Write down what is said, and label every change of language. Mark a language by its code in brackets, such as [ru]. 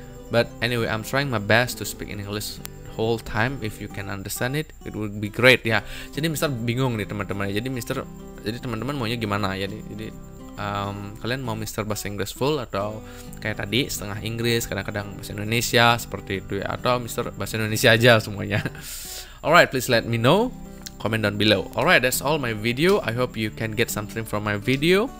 [en] But anyway, I'm trying my best to speak in English whole time. If you can understand it, it would be great ya. [id] Jadi Mister bingung nih teman-teman. Jadi teman-teman maunya gimana ya? Jadi kalian mau Mister bahasa Inggris full atau kayak tadi setengah Inggris, kadang-kadang bahasa Indonesia seperti itu ya, atau Mister bahasa Indonesia aja semuanya. [en] Alright, please let me know. Comment down below. Alright, that's all my video. I hope you can get something from my video.